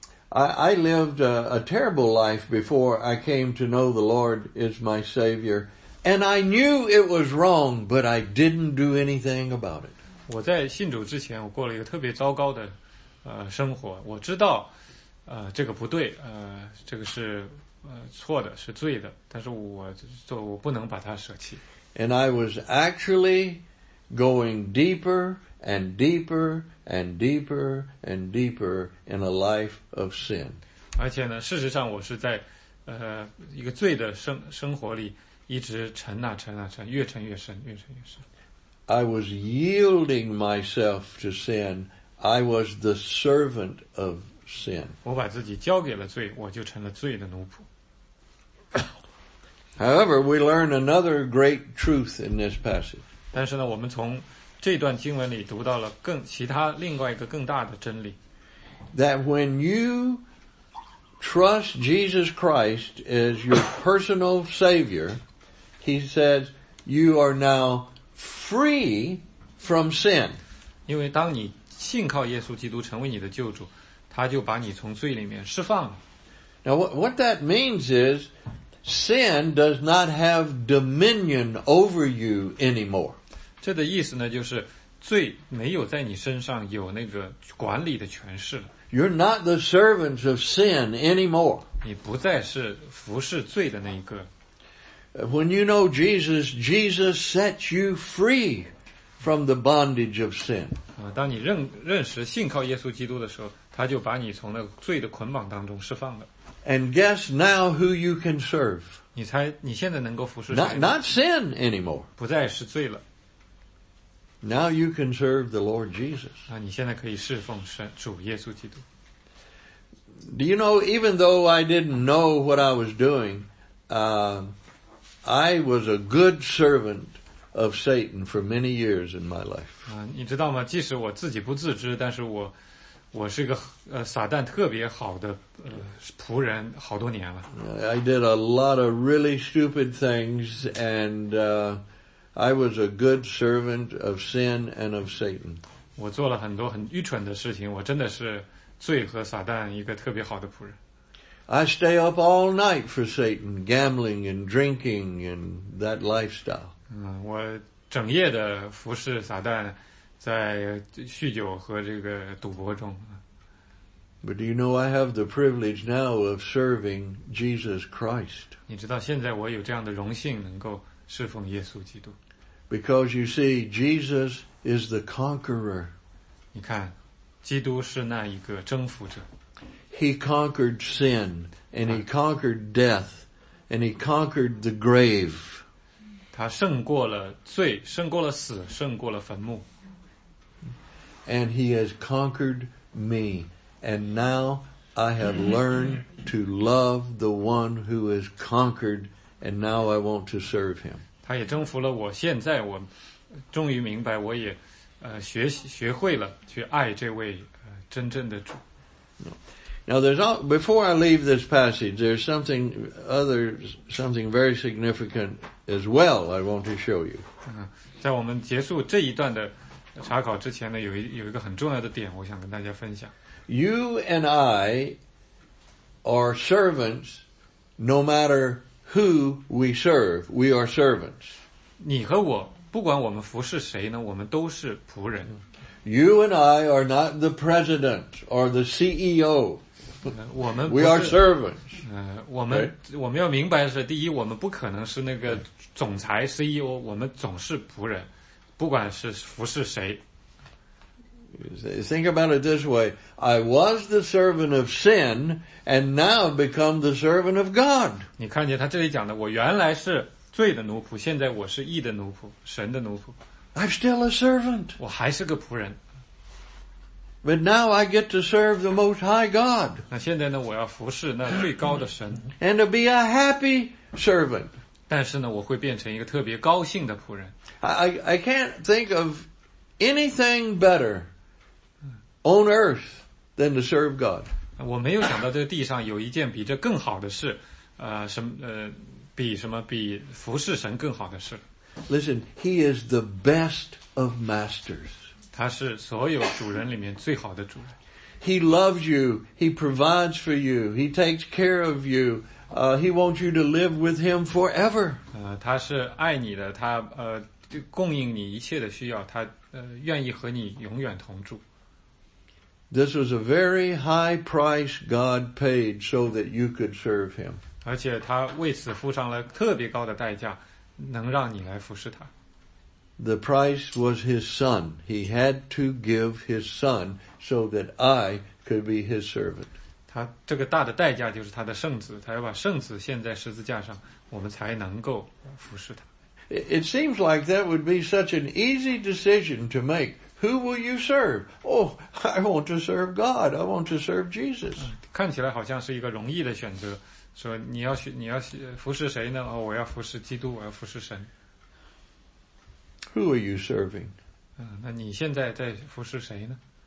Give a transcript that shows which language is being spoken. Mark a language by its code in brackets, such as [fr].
[en] I lived a terrible life before I came to know the Lord as my Savior. And I knew it was wrong, but I didn't do anything about it. [zh] 我在信主之前我过了一个特别糟糕的 生活, 我知道 这个不对, 这个是 错的, 是罪的, 但是我不能把它舍弃。 [en] And I was actually going deeper and deeper and deeper and deeper in a life of sin. [zh] 而且呢, 事实上我是在 一个罪的生活里一直沉啊沉啊沉, 越沉越深, 越沉越深。 [en] I was yielding myself to sin. I was the servant of sin. [zh] 我把自己交给了罪, 我就成了罪的奴仆。 [en] However, we learn another great truth in this passage. [zh] 但是呢, 我们从这段经文里读到了其他另外一个更大的真理。 [en] That when you trust Jesus Christ as your personal Savior, He says, you are now free from sin. [zh] 因为当你信靠耶稣基督成为你的救主, 他就把你从罪里面释放了。 [en] Now what that means is, sin does not have dominion over you anymore. [zh] 这的意思呢, 就是罪没有在你身上有那个管理的权势了。 [en] You're not the servants of sin anymore. [zh] 你不再是服侍罪的那一个。 [en] When you know Jesus, Jesus sets you free from the bondage of sin. [zh] 当你认识信靠耶稣基督的时候, 他就把你从那罪的捆绑当中释放了。 [en] And guess now who you can serve. [zh] 你猜你现在能够服侍谁吗? [en] Not sin anymore. [zh] 不再是罪了。 [en] Now you can serve the Lord Jesus. [zh] 你现在可以侍奉主耶稣基督。 [en] Do you know, even though I didn't know what I was doing, I was a good servant of Satan for many years in my life. [zh] 你知道吗? 即使我自己不自知, 但是我是一个 撒旦特别好的 仆人, 好多年了。 [en] I did a lot of really stupid things, and I was a good servant of sin and of Satan. [zh] 我做了很多很愚蠢的事情, 我真的是罪和撒旦一个特别好的仆人。 [en] I stay up all night for Satan, gambling and drinking and that lifestyle. [zh] 我整夜的服侍撒旦在酗酒和这个赌博中。 [en] But do you know I have the privilege now of serving Jesus Christ? [zh] 你知道现在我有这样的荣幸能够侍奉耶稣基督。 [en] Because you see, Jesus is the conqueror. [zh] 你看,基督是那一个征服者。 [en] He conquered sin, and He conquered death, and He conquered the grave. [zh] 他胜过了罪, 胜过了死, 胜过了坟墓。 [en] And He has conquered me, and now I have learned to love the one who has conquered, and now I want to serve Him. [zh] 他也征服了我, 现在我终于明白, 我也学会了去爱这位, 真正的主。 [en] Now there's all, before I leave this passage, there's something other, something very significant as well I want to show you. [zh] 在我们结束这一段的查考之前呢, 有一个很重要的点我想跟大家分享。 [en] You and I are servants no matter who we serve. We are servants. [zh] 你和我, 不管我们服侍谁呢, 我们都是仆人。 [en] You and I are not the president or the CEO. [zh] 我们不是, [en] we are servants. [zh] 我们要明白的是, 第一, 我们不可能是那个总裁CEO, 我们总是仆人, 不管是服侍谁。 [en] Think about it this way. I was the servant of sin, and now become the servant of God. [zh] 你看见他这里讲的，我原来是罪的奴仆，现在我是义的奴仆，神的奴仆。 [en] I'm still a servant. [zh] 我还是个仆人。 [en] But now I get to serve the Most High God. [zh] 那现在呢，我要服侍那最高的神。 [en] And to be a happy servant. [zh] 但是呢，我会变成一个特别高兴的仆人。 [en] I can't think of anything better on earth than to serve God. [zh] 我没有想到这地上有一件比这更好的事，什么比什么比服侍神更好的事。 [en] Listen, He is the best of masters. [zh] 他是所有主人里面最好的主人。 [en] He loves you. He provides for you. He takes care of you. He wants you to live with Him forever. [zh] 他是爱你的，他供应你一切的需要，他愿意和你永远同住。 [en] This was a very high price God paid so that you could serve Him. [zh] 而且他为此付上了特别高的代价。能让你来服侍他。 [en] The price was his son. He had to give his son so that I could be his servant. [zh] 他这个大的代价就是他的圣子，他要把圣子献在十字架上，我们才能够服侍他。 [en] It seems like that would be such an easy decision to make. Who will you serve? Oh, I want to serve God. I want to serve Jesus. [zh] 看起来好像是一个容易的选择。说你要服侍谁呢？哦，我要服侍基督，我要服侍神。 [en] Who are you serving？ [zh] 那你现在在服侍谁呢？